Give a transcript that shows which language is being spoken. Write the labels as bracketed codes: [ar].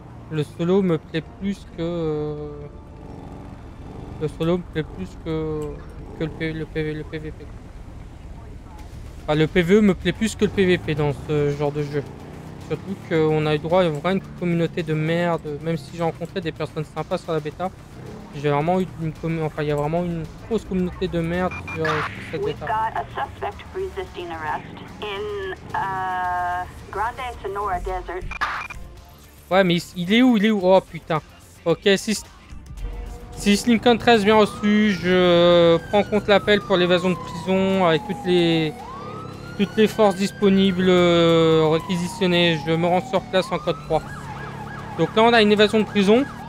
[fr] Le solo me plaît plus que. Le solo me plaît plus que le PVP. Enfin, le PVE me plaît plus que le PVP dans ce genre de jeu. Surtout qu'on a eu droit à vraiment une communauté de merde. Même si j'ai rencontré des personnes sympas sur la bêta, j'ai vraiment eu une enfin, y a vraiment une grosse communauté de merde sur cette bêta. [en] We've got a suspect resisting arrest in Grande Sonora Desert. [fr] Ouais, mais il est où? Oh putain. Ok, si Lincoln 13 bien reçu, je prends en compte l'appel pour l'évasion de prison avec toutes les forces disponibles réquisitionnées. Je me rends sur place en code 3. Donc là, on a une évasion de prison.